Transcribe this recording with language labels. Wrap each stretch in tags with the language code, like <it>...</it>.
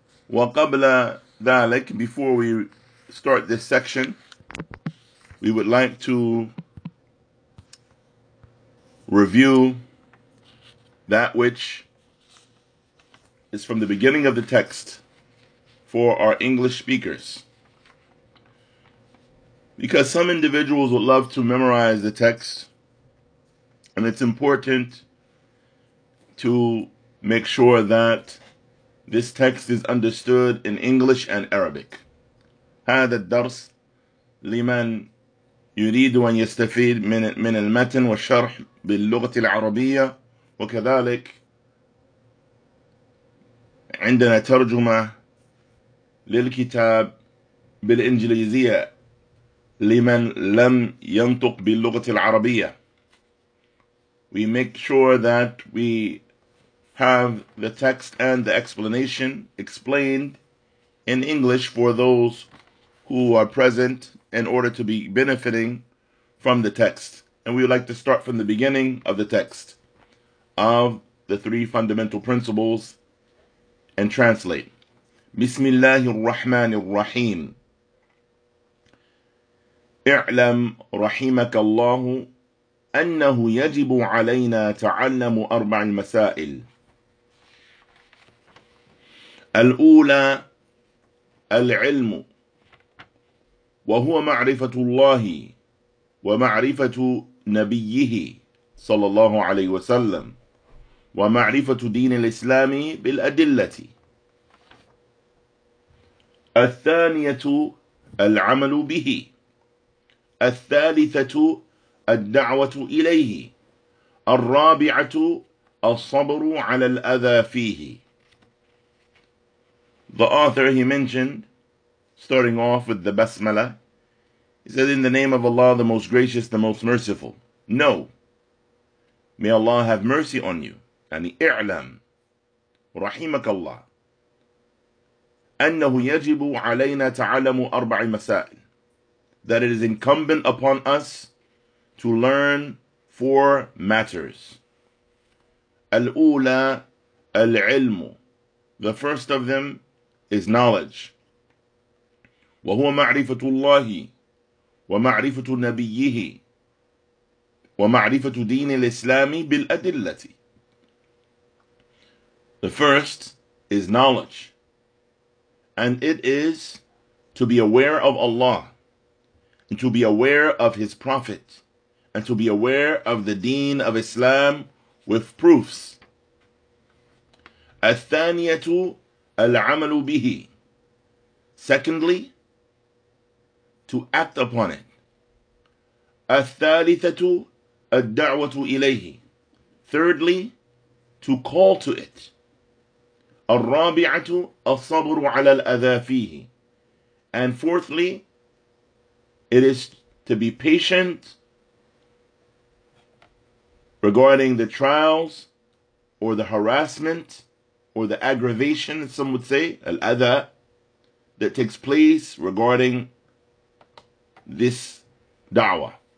<ar>وقبل ذلك,</ar> <en>before we start this section, we would like to review that which is from the beginning of the text for our English speakers. Because some individuals would love to memorize the text, and it's important to make sure that this text is understood in English and Arabic.</en> <ar>هذا الدرس لمن يريد أن يستفيد من المتن والشرح باللغة العربية، وكذلك عندنا ترجمة للكتاب بالإنجليزية لمن لم ينطق باللغة العربية.</ar> <en>We make sure that we have the text and the explanation explained in English for those who are present in order to be benefiting from the text. And we would like to start from the beginning of the text of the three fundamental principles and translate.</en> <ar>بسم الله الرحمن الرحيم. اعلم رحمك الله أنه يجب علينا تعلم أربع مسائل. الأولى العلم، وهو معرفة الله ومعرفة نبيه صلى الله عليه وسلم ومعرفة دين الإسلام بالأدلة. الثانية العمل به. الثالثة الدعوة إليه. الرابعة الصبر على الأذى فيه.</ar> <en>The author, he mentioned, starting off with the basmala, he said, in the name of Allah, the most gracious, the most merciful. No. May Allah have mercy on you.</en> <ar>يعني اعلم رحمك الله أنه يجب علينا تعلم أربع مسائل.</ar> <en>That it is incumbent upon us to learn four matters.</en> <ar>الأولى العلم.</ar> <en>The first of them is knowledge.</en> <ar>وهو معرفة الله ومعرفة نبيه ومعرفة دين الإسلام بالأدلة.</ar> <en>The first is knowledge, and it is to be aware of Allah, and to be aware of His Prophet, and to be aware of the deen of Islam with proofs.</en> <ar>الثانية العمل به.</ar> <en>Secondly, to act upon it.</en> <ar>الثالثة الدعوة إليه.</ar> <en>Thirdly, to call to it.</en> <ar>الرابعة الصبر على الأذى فيه.</ar> <en>And fourthly, it is to be patient regarding the trials or the harassment or the aggravation, some would say, al-adha, that takes place regarding this da'wah.</en>